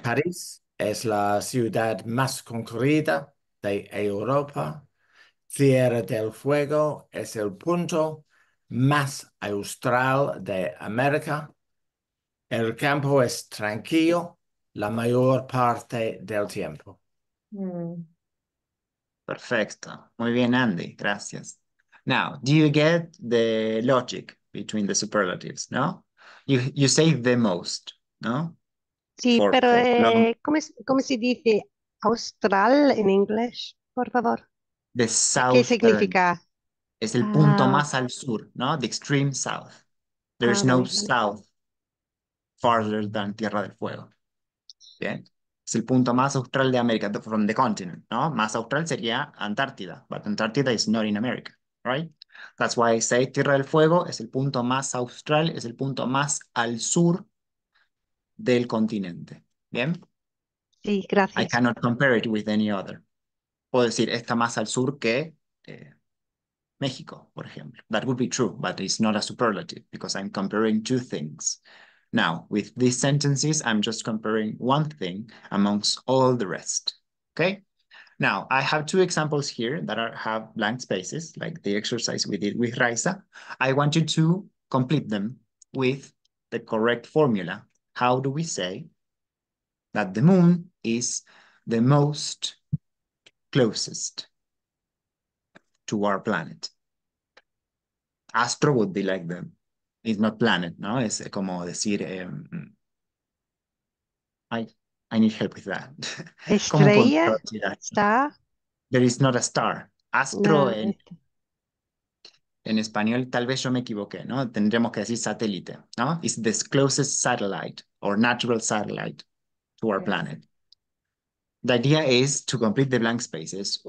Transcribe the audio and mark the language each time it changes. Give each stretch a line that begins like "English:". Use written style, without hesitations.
Spanish: París es la ciudad más concurrida de Europa. Tierra del Fuego es el punto más austral de América. El campo es tranquilo la mayor parte del tiempo. Perfecto. Muy bien, Andy. Gracias.
English: Now, do you get the logic between the superlatives, no? You say the most, no?
Spanish: Sí, ¿cómo se dice austral en inglés, por favor?
English: The south.
Spanish: ¿Qué significa? Es el punto más al sur, no?
English: The extreme south. There is no south farther than Tierra del Fuego. Bien.
Spanish: Es el punto más austral de América,
English: from the continent,
Spanish: no? Más austral sería Antártida,
English: but Antártida is not in America, right? That's why I say
Spanish: Tierra del Fuego es el punto más austral, es el punto más al sur del continente. ¿Bien? Sí, gracias.
English: I cannot compare it with any other.
Spanish: Puedo decir, está más al sur que México, por ejemplo.
English: That would be true, but it's not a superlative because I'm comparing two things. Now, with these sentences, I'm just comparing one thing amongst all the rest, okay? Now, I have two examples here that have blank spaces, like the exercise we did with Raisa. I want you to complete them with the correct formula. How do we say that the moon is the most closest to our planet? Astro would be like the, it's not planet, no?
Spanish: Es como decir,
English: I need help with that.
Spanish: Estrella, star.
English: There is not a star.
Spanish: Astro en español, tal vez yo me equivoqué, ¿no? Tendremos que decir satélite, ¿no?
English: It's the closest satellite or natural satellite to our planet. The idea is to complete the blank spaces.